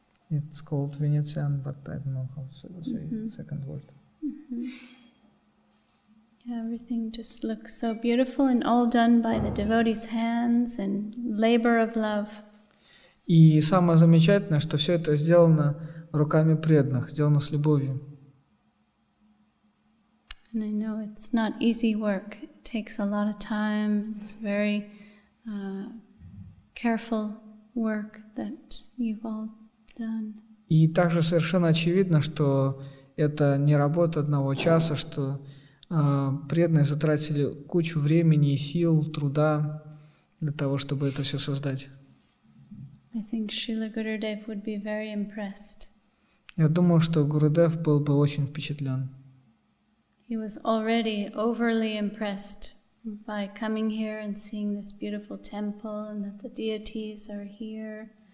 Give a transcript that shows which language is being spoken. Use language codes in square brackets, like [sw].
[en] It's called Venetian, but I don't know how to say the second word. Everything just looks so beautiful and all done by the devotees' hands and labor of love. [ru] И самое замечательное, что все это сделано руками преданных, сделано с любовью. [en] And I know it's not easy work. It takes a lot of time. It's very careful work that you've all done. [ru] И также совершенно очевидно, что это не работа одного часа, что преданные затратили кучу времени и сил, труда для того, чтобы это все создать. [en] I think Srila Gurudev would be very impressed. [ru] Я думаю, что Гурудев был бы очень впечатлен. [en] He was already overly impressed By coming here and seeing this beautiful temple and that the deities are here.